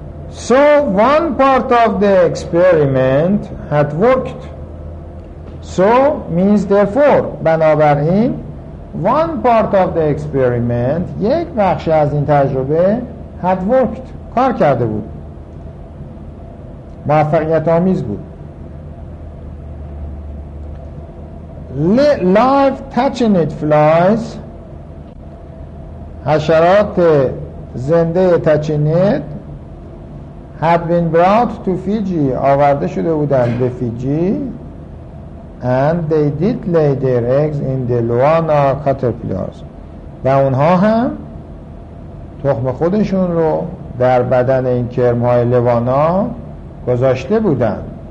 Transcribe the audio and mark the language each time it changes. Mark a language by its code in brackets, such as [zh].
[en] So one part of the experiment had worked. So means therefore، [fa] بنابراین [en] one part of the experiment، [fa] یک بخش از این تجربه، [en] had worked، [fa] کار کرده بود، موفقیت آمیز بود. [en] Live tachinid flies، [fa] حشرات زنده تچینید، [en] had been brought to Fiji، [fa] آورده شده بودند به فیجی، [en] and they did lay their eggs in the Luana caterpillars. [fa] و اونها هم تخم خودشون رو در بدن این کرم‌های لوانا گذاشته بودند.